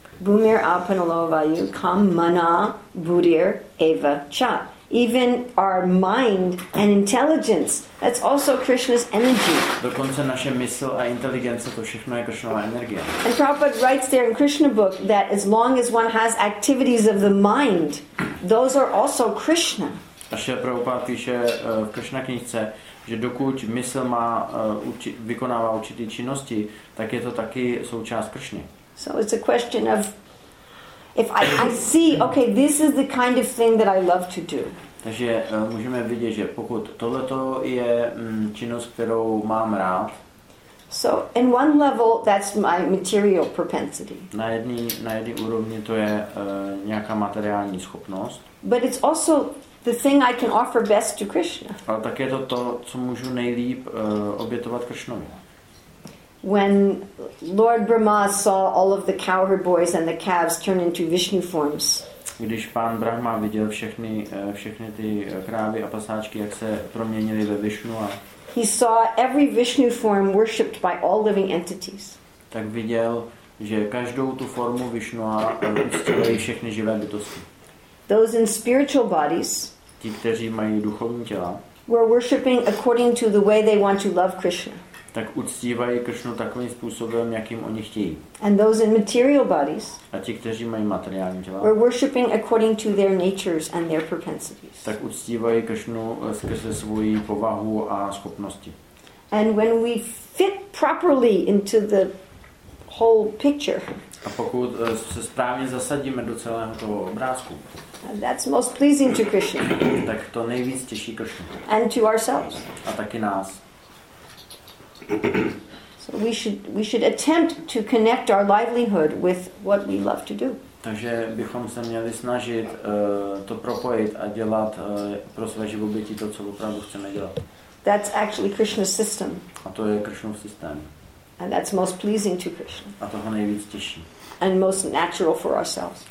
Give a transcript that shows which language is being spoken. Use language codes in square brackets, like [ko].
[sa] Bhumir apanalovayu kam mana buddhir eva cha. [en] Even our mind and intelligence, that's also Krishna's energy. [cs] Dokonce naše mysl a inteligence, to všechno je Krishnova energie. [en] And Prabhupada writes there in Krishna book that as long as one has activities of the mind, those are also Krishna. [cs] A Šíla Prabhupada píše v Krishna knižce, že dokud mysl má vykonává určité činnosti, tak je to taky součást Krishny. [en] So it's a question of If I see, okay, this is the kind of thing that I love to do. [cs] Takže můžeme vidět, že pokud tohleto je činnost, kterou mám rád. [en] So in one level, that's my material propensity. [cs] Na jedné úrovni to je nějaká materiální schopnost. [en] But it's also the thing I can offer best to Krishna. [cs] Ale tak je to to, co můžu nejlíp obětovat Krishnovi. [en] When Lord Brahma saw all of the cowherd boys and the calves turn into Vishnu forms. [cs] Když pán Brahma viděl všechny ty krávy a pasáčky, jak se proměnili ve Vishnu. [en] He saw every Vishnu form worshipped by all living entities. [cs] Tak viděl, že každou tu formu Vishnu uctívají všechny živé bytosti. [en] Those in spiritual bodies. [cs] Ti, kteří mají duchovní těla. [en] Were worshipping according to the way they want to love Krishna. [cs] Tak uctívají Krishnu takovým způsobem, jakým oni chtějí. [en] And those in material bodies. [cs] A ti, kteří mají materiální těla. [en] Were worshipping according to their natures and their propensities. [cs] Tak uctívají Krishnu skrze svoji povahu a schopnosti. [en] And when we fit properly into the whole picture. [cs] A pokud se správně zasadíme do celého toho obrázku. [en] That's most pleasing to Krishna. [cs] Tak to nejvíc těší Krishnu. [en] And to ourselves. [cs] A taky nás. [en] So we should attempt to connect our livelihood with what we love to do. [cs] Takže bychom se měli snažit to propojit a dělat pro své živobytí to, co opravdu chceme dělat. [en] That's actually Krishna's system. [cs] A to je Krishnův systém. [en] And that's most pleasing to Krishna. [cs] A to ho nejvíc těší. [en] And most natural for ourselves.